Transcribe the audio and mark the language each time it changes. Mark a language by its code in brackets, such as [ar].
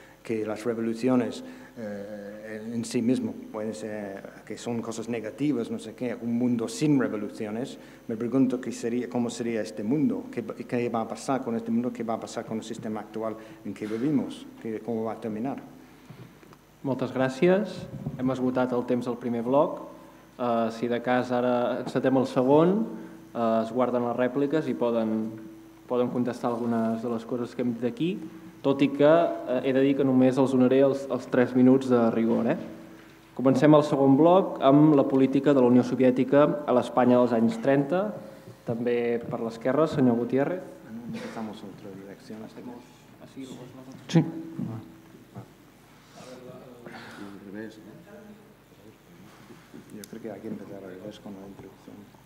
[es] que las revoluciones en sí mismo pueden ser que son cosas negativas, no sé qué, un mundo sin revoluciones, me pregunto qué sería, cómo sería este mundo, qué va a pasar con este mundo, qué va a pasar con el sistema actual en que vivimos, cómo va a terminar. [ca] Moltes gràcies. Hem esgotat el temps del primer bloc. Si de cas ara encetem el segon, es guarden les rèpliques i poden contestar algunes de les coses que hem dit aquí, tot i que he de dir que només els donaré els 3 minuts de rigor. Comencem el segon bloc amb la política de la Unió Soviètica a l'Espanya dels anys 30, també per l'esquerra, senyor Gutiérrez. [es] Estamos en otra dirección. Sí. Yo creo que hay que empezar a ver con la introducción.